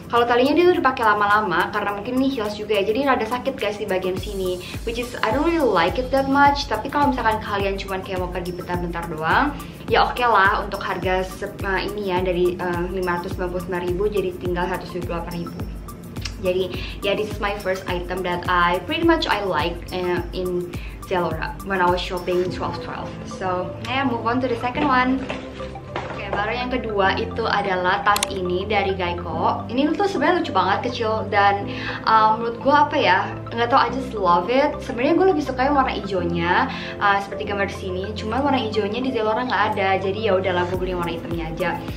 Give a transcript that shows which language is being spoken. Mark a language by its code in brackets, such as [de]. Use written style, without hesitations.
[id] Kalau talinya dia udah dipakai lama-lama, karena mungkin ini heels juga ya, jadi rada sakit guys di bagian sini, [en] which is I don't really like it that much. [id] Tapi kalau misalkan kalian cuman kayak mau pergi bentar-bentar doang, ya oke lah, untuk harga ini ya dari 599.000 jadi tinggal 178.000. [en] Jadi yeah, this is my first item that I pretty much I like in Zalora when I was shopping 12/12. So yeah, move on to the second one. [id] Barang yang kedua itu adalah tas ini dari Gaiko. Ini tuh sebenarnya lucu banget, kecil, dan menurut gue apa ya, nggak tau, [en] I just love it. [id] Sebenarnya gue lebih suka yang warna hijaunya seperti gambar di sini. Cuma warna hijaunya di Zalora nggak ada, jadi ya udahlah gue beli warna hitamnya aja.